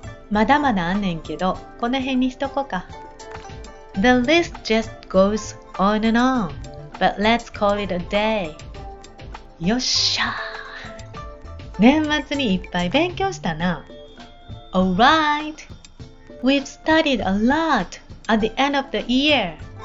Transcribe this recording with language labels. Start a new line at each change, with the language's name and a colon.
Japanese: まだまだあんねんけど、この辺にしとこうか。
English: The list just goes on and on, but let's call it a day.
Japanese: よっしゃ。年末にいっぱい勉強したな。
English: Alright. We've studied a lot at the end of the year.